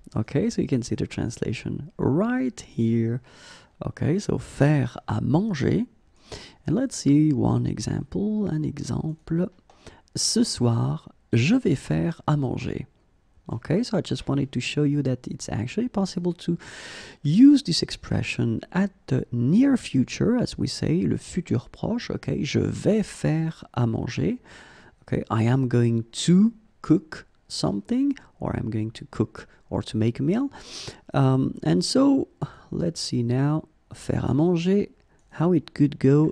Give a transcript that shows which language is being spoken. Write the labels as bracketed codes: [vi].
[en] Okay, so you can see the translation right here. Okay, so faire à manger, and let's see one example. An example, [fr] ce soir je vais faire à manger. [en] Okay, so I just wanted to show you that it's actually possible to use this expression at the near future, as we say, le futur proche, okay, [fr] je vais faire à manger, [en] okay, I am going to cook something, or I'm going to cook or to make a meal, and so let's see now, faire à manger, how it could go.